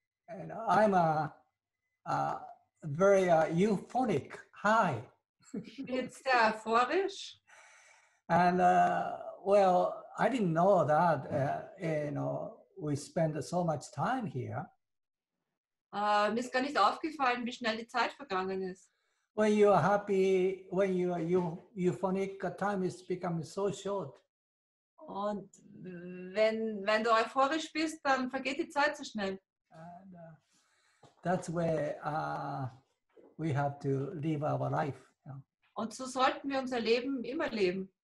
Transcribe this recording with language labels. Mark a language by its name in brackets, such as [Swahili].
[English] And I'm a very euphoric high. [German] It's euphorisch. [English] And well, I didn't know that we spend so much time here. [German] Mir ist gar nicht aufgefallen, wie schnell die Zeit vergangen ist. [English] When you are happy, when you are euphoric, time is becoming so short. [German] Und wenn du euphorisch bist, dann vergeht die Zeit so schnell. [English] And, that's where we have to live our life. [German] Und so sollten wir unser Leben immer leben.